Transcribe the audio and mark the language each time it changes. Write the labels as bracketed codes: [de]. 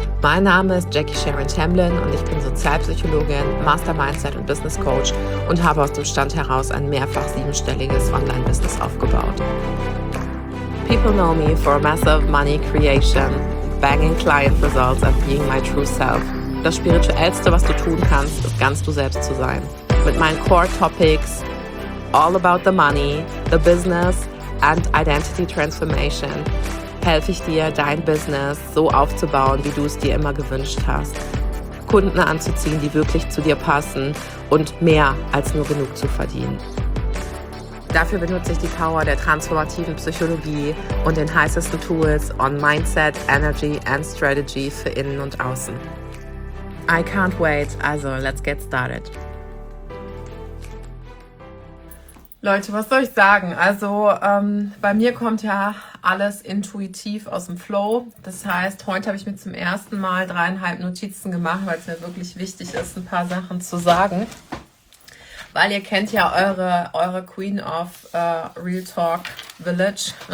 [de] Mein Name ist Jackie Sharon Tamblyn und ich bin Sozialpsychologin, Master Mindset und Business Coach und habe aus dem Stand heraus ein mehrfach siebenstelliges Online-Business aufgebaut. [en] People know me for massive money creation, banging client results and being my true self. [de] Das Spirituellste, was du tun kannst, ist ganz du selbst zu sein. Mit meinen Core Topics, [en] all about the money, the business and identity transformation, [de] helfe ich dir, dein Business so aufzubauen, wie du es dir immer gewünscht hast. Kunden anzuziehen, die wirklich zu dir passen und mehr als nur genug zu verdienen. Dafür benutze ich die Power der transformativen Psychologie und den heißesten Tools [en] on Mindset, Energy and Strategy [de] für Innen und Außen. [en] I can't wait, also let's get started. [de] Leute, was soll ich sagen? Also bei mir kommt ja alles intuitiv aus dem Flow. Das heißt, heute habe ich mir zum ersten Mal 3,5 Notizen gemacht, weil es mir wirklich wichtig ist, ein paar Sachen zu sagen. Weil ihr kennt ja eure Queen of Real Talk Village.